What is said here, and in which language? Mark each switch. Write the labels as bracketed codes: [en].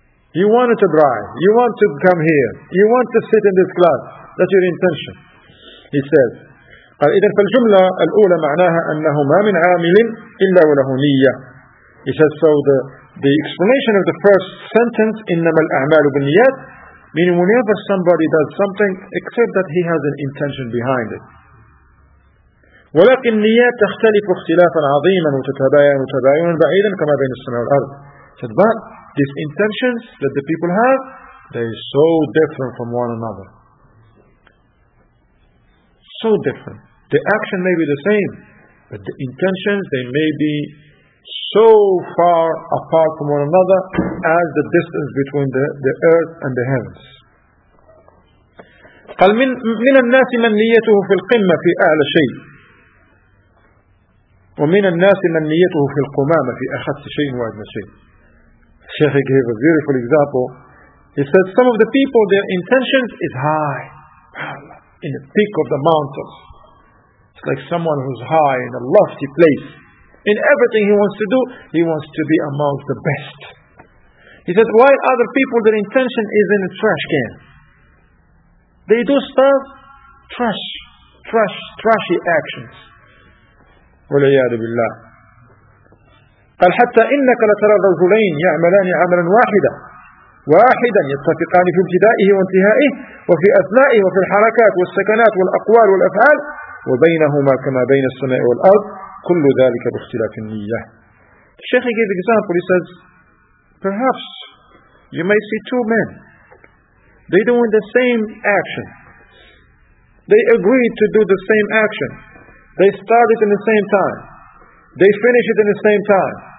[en] You wanted to drive. You want to come here. You want to sit in this class. That's your intention, he says. [ar] قال إذن فالجملة الأولى معناها أنه ما من عامل إلا وله نية. [en] He says, so the explanation of the first sentence, إنما الأعمال بالنيات, meaning whenever somebody does something, except that he has an intention behind it. [ar] ولكن النيات تختلف اختلافا عظيما وتتباين بعيدا كما بين السماء والأرض. [en] Said, but these intentions that the people have, they are so different from one another. So different. The action may be the same, but the intentions, they may be so far apart from one another as the distance between the earth and the heavens. [ar] قال من الناس من نيته في القمة في أعلى شيء ومن الناس من نيته في القمامة في أخذ شيء وأدنى شيء. [en] Sheikh gave a beautiful example. He said some of the people, their intentions is high in the peak of the mountains. It's like someone who's high in a lofty place. In everything he wants to do, he wants to be amongst the best. He said, why other people, their intention is in a trash can? They do stuff, trashy actions. [ar] وَلَيَعْدِ بِاللَّهِ قال حتى إنك لترى رجلين يعملان عملا واحدا واحدا يتفقان في ابتدائه وانتهائه وفي أثنائه وفي الحركات والسكنات والأقوال والأفعال وبينهما كما بين السماء والأرض كل ذلك باختلاف النية. [en] الشيخ gave example. He says, perhaps you may see two men. They doing the same action. They agreed to do the same action. They started in the same time. They finished it in the same time.